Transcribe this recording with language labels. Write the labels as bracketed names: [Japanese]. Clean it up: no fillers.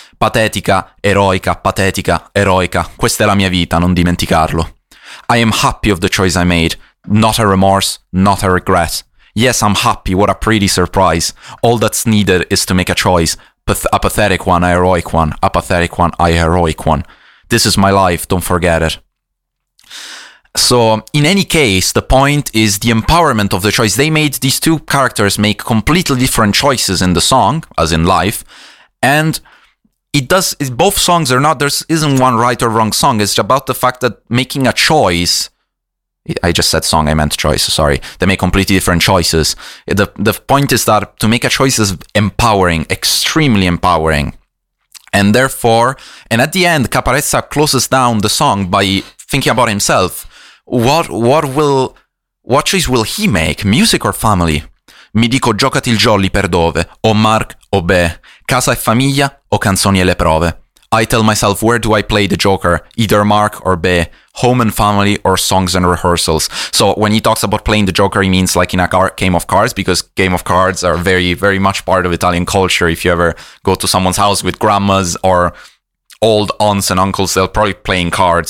[Italian] Patetica, eroica, questa è la mia vita, non dimenticarlo. [English] I am happy of the choice I made. Not a remorse, not a regret. Yes, I'm happy, what a pretty surprise. All that's needed is to make a choice. A pathetic one, a heroic one. A pathetic one, a heroic one. This is my life, don't forget it. So, in any case, the point is the empowerment of the choice. They made these two characters make completely different choices in the song, as in life, and both songs are not, there isn't one right or wrong song. It's about the fact that making a choice, I just said song, I meant choice, sorry. They make completely different choices. The point is that to make a choice is empowering, extremely empowering. And therefore, and at the end, Caparezza closes down the song by thinking about himself. What choice will he make? Music or family? [Italian] Mi dico giocati il jolly per dove? O Mark o Beh? Casa e famiglia o canzoni e le prove? [English] I tell myself, where do I play the Joker? Either Mark or Beh? Home and family or songs and rehearsals? So when he talks about playing the Joker, he means like in a game of cards, because game of cards are very, very much part of Italian culture. If you ever go to someone's house with grandmas or old aunts and uncles, they'll probably play in cards.